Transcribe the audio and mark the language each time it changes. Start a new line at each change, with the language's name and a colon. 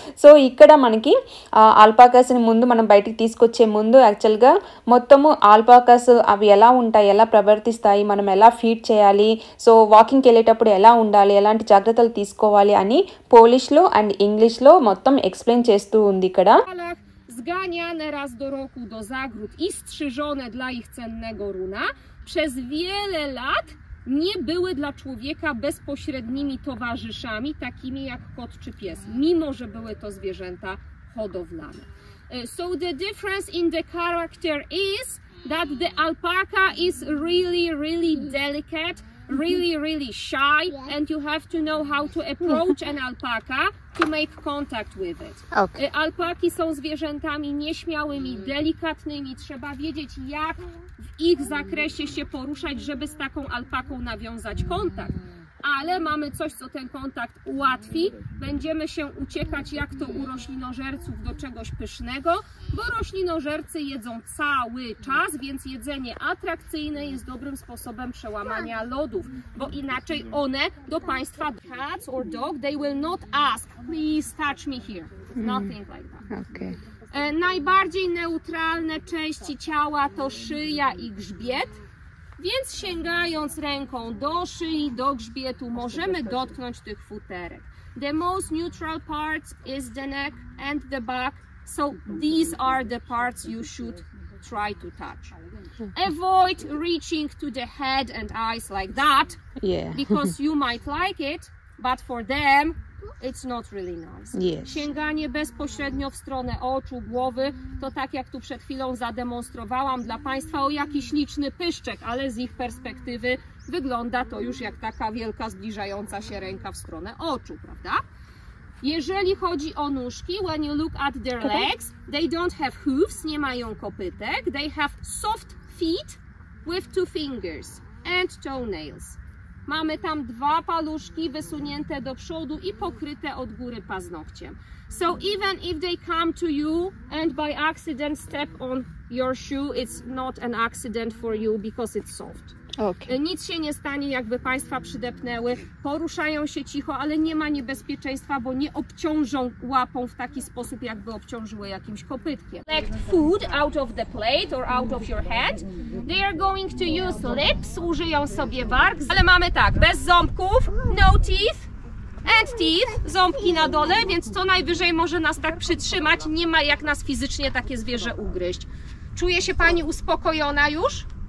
Telugu: So ఇక్కడ మనకి ఆల్పాకాస్ ని ముందు మనం బయటికి తీసుకొచ్చే ముందు యాక్చువల్ గా మొత్తము ఆల్పాకాస్ అవి ఎలా ఉంటాయి, ఎలా ప్రవర్తిస్తాయి, మనం ఎలా ఫీడ్ చేయాలి, సో వాకింగ్కి వెళ్ళేటప్పుడు ఎలా ఉండాలి, ఎలాంటి జాగ్రత్తలు తీసుకోవాలి అని పోలిష్ లో అండ్ ఇంగ్లీష్ లో మొత్తం ఎక్స్ప్లెయిన్ చేస్తూ ఉంది. ఇక్కడ
Polish: zganiane raz do roku do zagród i strzyżone dla ich cennego runa, przez wiele lat nie były dla człowieka bezpośrednimi towarzyszami, takimi jak kot czy pies, mimo że były to zwierzęta hodowlane.
English: So the difference in the character is that the alpaca is really, really delicate, really, really shy, and you have to know how to approach an alpaca to make contact with it. Okay.
Polish: Alpaki są zwierzętami nieśmiałymi, delikatnymi. Trzeba wiedzieć, jak w ich zakresie się poruszać, żeby z taką alpaką nawiązać kontakt. Ale mamy coś, co ten kontakt ułatwi. Będziemy się uciekać, jak to u roślinożerców, do czegoś pysznego, bo roślinożercy jedzą cały czas, więc jedzenie atrakcyjne jest dobrym sposobem przełamania lodów, bo inaczej one do państwa,
English: cats or dog, they will not ask, please touch me here. Nothing like that. Okay.
Polish: Najbardziej neutralne części ciała to szyja i grzbiet, więc sięgając ręką do szyi, do grzbietu, możemy dotknąć tych futerek.
English: The most neutral part is the neck and the back, so these are the parts you should try to touch. Avoid reaching to the head and eyes like that, because you might like it, but for them it's not really nice.
Polish: Sięganie bezpośrednio w stronę oczu, głowy, to tak jak tu przed chwilą zademonstrowałam dla Państwa o jakiś liczny pyszczek, ale z ich perspektywy wygląda to już jak taka wielka zbliżająca się ręka w stronę oczu, prawda? Jeżeli chodzi o nóżki,
English: when you look at their legs, they don't have hooves,
Polish: nie mają kopytek,
English: they have soft feet with two fingers and toenails.
Polish: Mamy tam dwa paluszki wysunięte do przodu i pokryte od góry paznokciem.
English: So even if they come to you and by accident step on your shoe, it's not an accident for you because it's soft. Okay.
Polish: Nic się nie stanie, jakby Państwa przydepnęły. Poruszają się cicho, ale nie ma niebezpieczeństwa, bo nie obciążą łapą w taki sposób, jakby obciążyły jakimś kopytkiem.
English: Collect food out of the plate or out of your hand. They are going to use lips,
Polish: użyją sobie warg. Ale mamy tak, bez ząbków,
English: no teeth and teeth,
Polish: ząbki na dole, więc co najwyżej może nas tak przytrzymać. Nie ma jak nas fizycznie takie zwierzę ugryźć. Czuje się Pani uspokojona już?